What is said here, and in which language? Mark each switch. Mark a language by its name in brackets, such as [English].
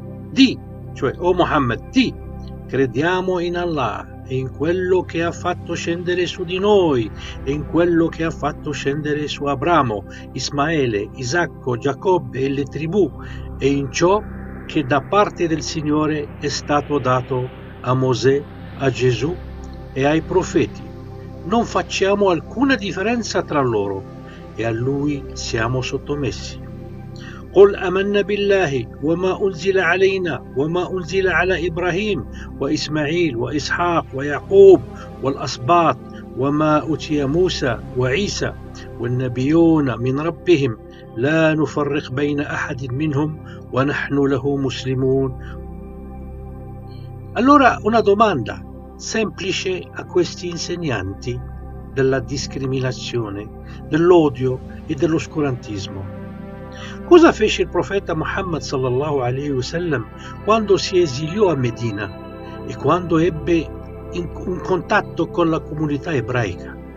[Italian] Di, cioè o Muhammad, di, crediamo in Allah e in quello che ha fatto scendere su di noi e in quello che ha fatto scendere su Abramo, Ismaele, Isacco, Giacobbe e le tribù e in ciò che da parte del Signore è stato dato a Mosè, a Gesù e ai profeti. Non facciamo alcuna differenza tra loro e a Lui siamo sottomessi. [Arabic] قل آمنا بالله وما أنزل علينا وما أنزل على إبراهيم وإسماعيل وإسحاق ويعقوب والأسباط وما أوتي موسى وعيسى والنبيون من ربهم لا نفرق بين أحد منهم ونحن له مسلمون. [Italian] Allora una domanda semplice a questi insegnanti della discriminazione, dell'odio e dell'oscurantismo. Cosa fece il profeta Muhammad [Arabic] sallallahu alaihi wasallam [Italian] quando si esiliò a Medina e quando ebbe un contatto con la comunità ebraica?